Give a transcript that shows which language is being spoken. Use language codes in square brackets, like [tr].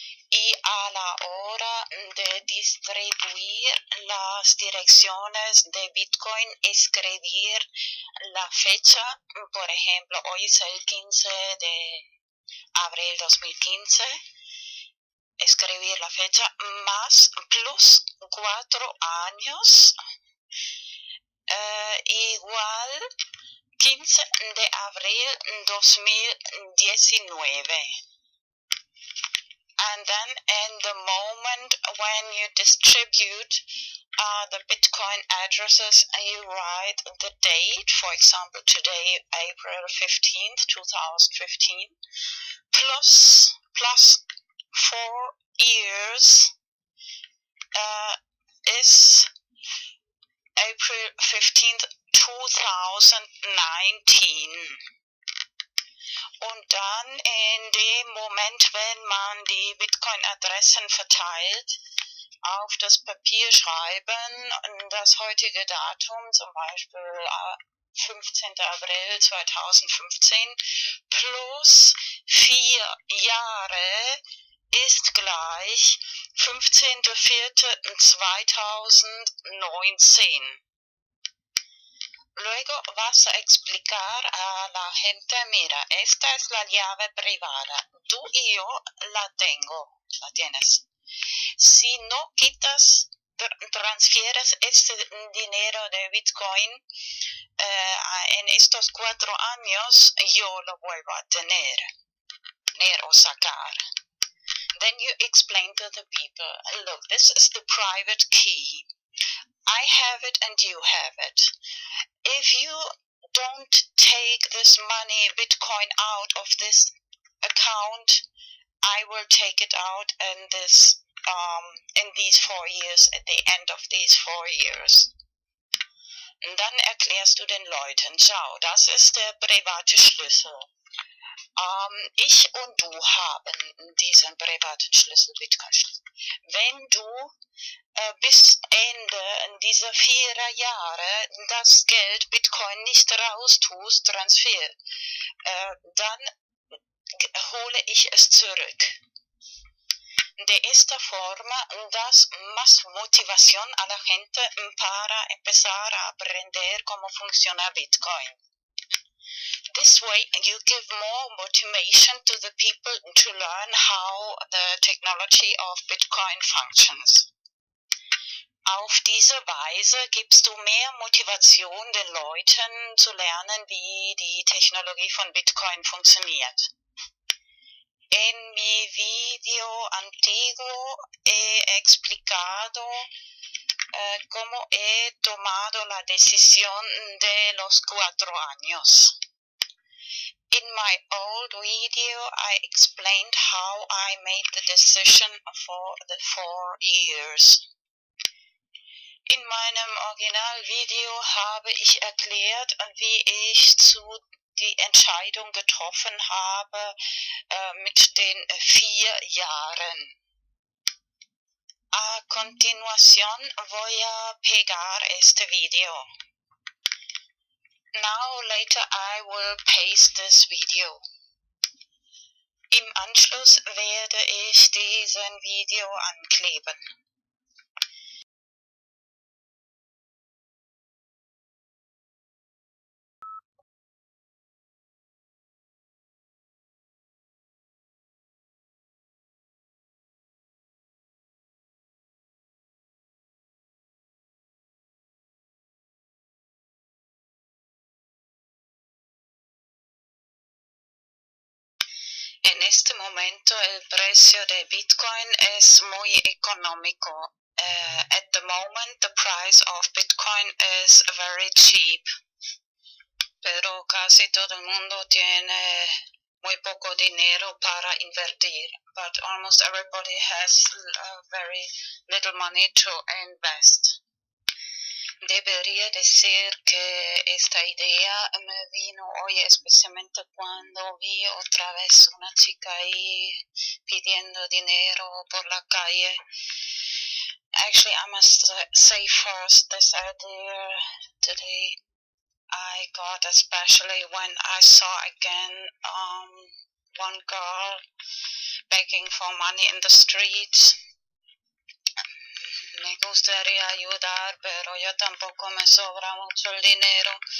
[es] Y a la hora de distribuir las direcciones de Bitcoin, escribir la fecha, por ejemplo, hoy es el 15 de abril 2015, escribir la fecha más plus 4 años igual 15 de abril 2019. [en] And then in the moment when you distribute the Bitcoin addresses, you write the date, for example today April 15th 2015, plus 4 years is April 15th 2019. [de] Und dann in dem Moment, wenn man die Bitcoin-Adressen verteilt, auf das Papier schreiben, das heutige Datum, zum Beispiel 15. April 2015, plus 4 Jahre ist gleich 15.04.2019. [es] Luego vas a explicar a la gente, mira, esta es la llave privada. Tú y yo la tengo, la tienes. Si no quitas, transfieres este dinero de Bitcoin en estos 4 años, yo lo vuelvo a tener o sacar. [en] Then you explain to the people, look, this is the private key. I have it and you have it. If you don't take this money, Bitcoin, out of this account, I will take it out in this, in these 4 years, at the end of these 4 years. [de] Dann erklärst du den Leuten, schau, das ist der private Schlüssel. Ich und du haben diesen privaten Schlüssel, Bitcoin-Schlüssel. Wenn du bis Ende dieser 4 Jahre das Geld Bitcoin nicht raustust, Transfer, dann hole ich es zurück. [es] De esta forma das más motivación a la gente para empezar a aprender cómo funciona Bitcoin. [en] This way you give more motivation to the people to learn how the technology of Bitcoin functions. [de] Auf diese Weise gibst du mehr Motivation den Leuten zu lernen, wie die Technologie von Bitcoin funktioniert. [es] En mi video antiguo he explicado cómo he tomado la decisión de los 4 años. [en] In my old video, I explained how I made the decision for the 4 years. [de] In meinem Originalvideo habe ich erklärt, wie ich zu die Entscheidung getroffen habe mit den 4 Jahren. [es] A continuación voy a pegar este video. [en] Now later I will paste this video. [de] Im Anschluss werde ich diesen Video ankleben. [es] En este momento el precio de Bitcoin es muy económico. [en] At the moment the price of Bitcoin is very cheap. [es] Pero casi todo el mundo tiene muy poco dinero para invertir. [en] But almost everybody has very little money to invest. [es] Debería decir que esta idea me vino hoy especialmente cuando vi otra vez una chica ahí pidiendo dinero por la calle. [en] Actually, I must say first this idea today I got especially when I saw again one girl begging for money in the streets. [es] Me gustaría ayudar, pero yo tampoco me sobra mucho el dinero.